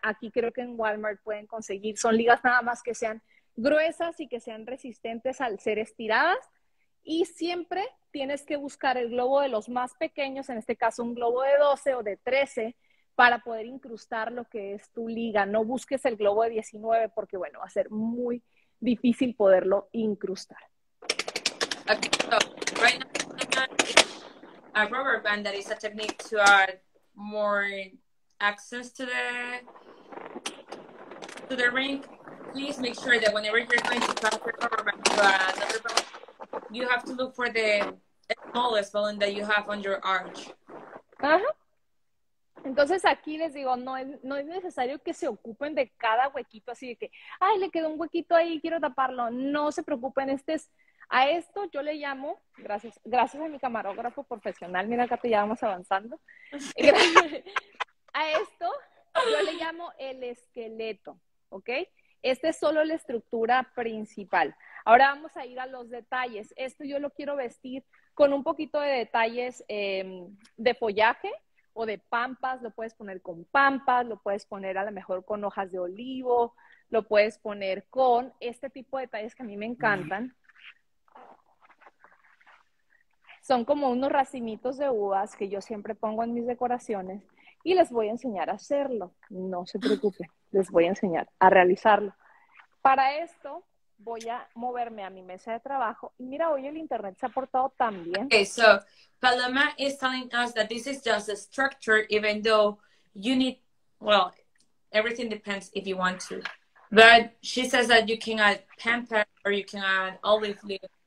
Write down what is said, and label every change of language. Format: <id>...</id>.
<es>Aquí creo que en Walmart pueden conseguir. Son ligas nada más que sean gruesas y que sean resistentes al ser estiradas. Y siempre tienes que buscar el globo de los más pequeños, en este caso un globo de 12 o de 13, para poder incrustar lo que es tu liga. No busques el globo de 19 porque, bueno, va a ser muy difícil poderlo incrustar.</es> <en>Okay, so right now, a rubber band that is a technique to add more access to the ring. Please make sure that whenever you're going to pass the rubber band to another balloon, you have to look for the smallest balloon that you have on your arch.</en> <es>Entonces aquí les digo, no es necesario que se ocupen de cada huequito, así de que, ay, le quedó un huequito ahí, quiero taparlo. No se preocupen, a esto yo le llamo, gracias a mi camarógrafo profesional, mira acá te llevamos avanzando. A esto yo le llamo el esqueleto, ¿ok? Esta es solo la estructura principal. Ahora vamos a ir a los detalles. Esto yo lo quiero vestir con un poquito de detalles de follaje o de pampas. Lo puedes poner con pampas, lo puedes poner a lo mejor con hojas de olivo, lo puedes poner con este tipo de detalles que a mí me encantan. Son como unos racimitos de uvas que yo siempre pongo en mis decoraciones y les voy a enseñar a hacerlo. No se preocupen, les voy a enseñar a realizarlo. Para esto voy a moverme a mi mesa de trabajo. Y mira, hoy el internet se ha portado tan bien.</es> <en>Okay, so Paloma is telling us that this is just a structure, even though you need, well, everything depends if you want to. But she says that you can add pampas or you can add olive leaf.</en>